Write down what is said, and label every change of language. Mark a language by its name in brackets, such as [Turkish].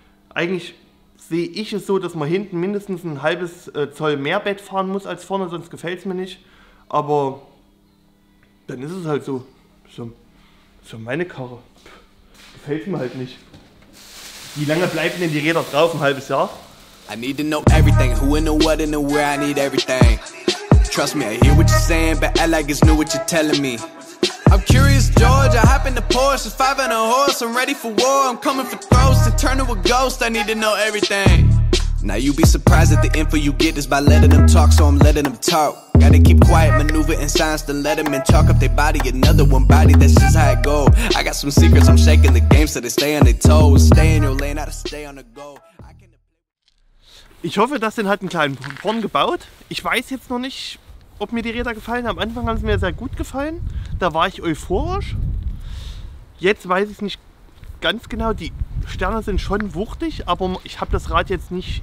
[German] Eigentlich sehe ich es so, dass man hinten mindestens ein halbes Zoll mehr Bett fahren muss als vorne, sonst gefällt es mir nicht. Aber dann ist es halt so. So meine Karre. Gefällt mir halt nicht. Wie lange bleiben denn die Räder drauf? Ein halbes Jahr? [English] I need to know everything. Who in the what in the where? I need everything. Trust me, I hear what you're saying, but I like it's new what you're telling me. I'm curious, George, I hop in the Porsche, 5 and a horse, I'm ready for war, I'm coming for throws, to turn to a ghost, I need to know everything. Now you be surprised at the info you get is by letting them talk, so I'm letting them talk. Gotta keep quiet, maneuver in silence, then let them in, talk up their body, another one body, that's just how it go. I got some secrets, I'm shaking the game, so they stay on their toes, stay in your lane, I just stay on the go. [German] Ich hoffe, das hat einen kleinen Porn gebaut. Ich weiß jetzt noch nicht, ob mir die Räder gefallen. Am Anfang haben sie mir sehr gut gefallen. Da war ich euphorisch. Jetzt weiß ich nicht ganz genau. Die Sterne sind schon wuchtig, aber ich habe das Rad jetzt nicht.